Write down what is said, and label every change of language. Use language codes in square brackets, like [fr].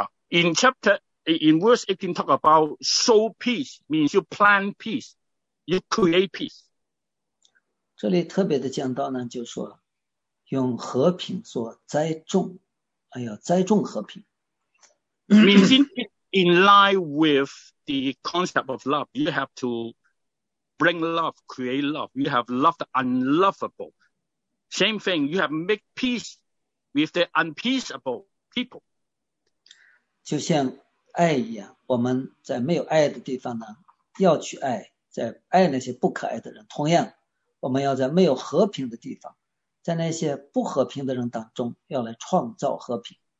[en] In verse 18, talk about sow peace means you plant peace, you create peace. [zh] 这里特别的讲到呢，就是说用和平做栽种，栽种和平。 [en] Means in line with the concept of love, you have to bring love, create love. You have loved the unlovable. Same thing, you have make peace with the unpeaceable people. [zh] 就像爱一样，我们在没有爱的地方呢，要去爱，在爱那些不可爱的人。同样，我们要在没有和平的地方，在那些不和平的人当中，要来创造和平。